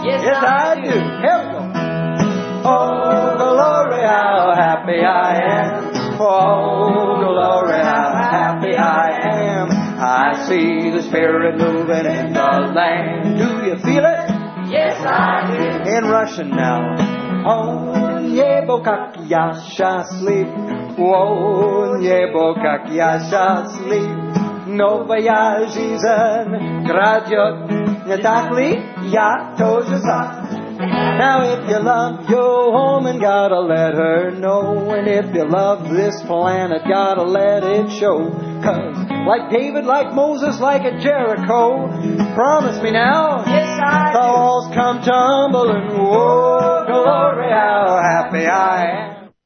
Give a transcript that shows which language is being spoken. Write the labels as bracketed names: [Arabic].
[English] yes I do. Here we go. Oh, glory, how happy I am. Oh, glory, how happy I am. I see the Spirit moving in the land. Do you feel it? Yes, I do. In Russian now. [Russian] Oh, небо как я счастлив, новая жизнь грядет, не так ли? Я тоже сам. [English] Now if you love your home, and gotta let her know, and if you love this planet, gotta let it show, 'cause like David, like Moses, like a Jericho, promise me now. Yes, I do. The walls come tumbling. Oh, glory, how happy I am.